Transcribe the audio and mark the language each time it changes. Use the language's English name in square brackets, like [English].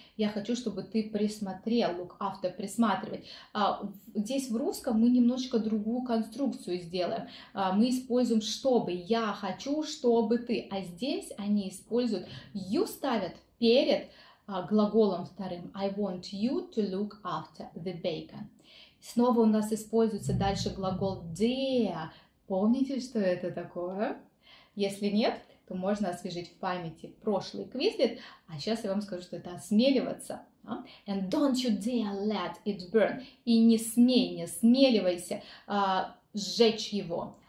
[Russian] Я хочу, чтобы ты присмотрел. [English] Look after, [Russian] присматривать. Здесь в русском мы немножко другую конструкцию сделаем. Мы используем чтобы. Я хочу, чтобы ты. А здесь они используют you ставят перед глаголом вторым. [English] I want you to look after the bacon. [Russian] Снова у нас используется дальше глагол dare. Помните, что это такое? Если нет, то можно освежить в памяти прошлый квизлет, а сейчас я вам скажу, что это осмеливаться. [English] And don't you dare let it burn. [Russian] И не смей, не осмеливайся сжечь его.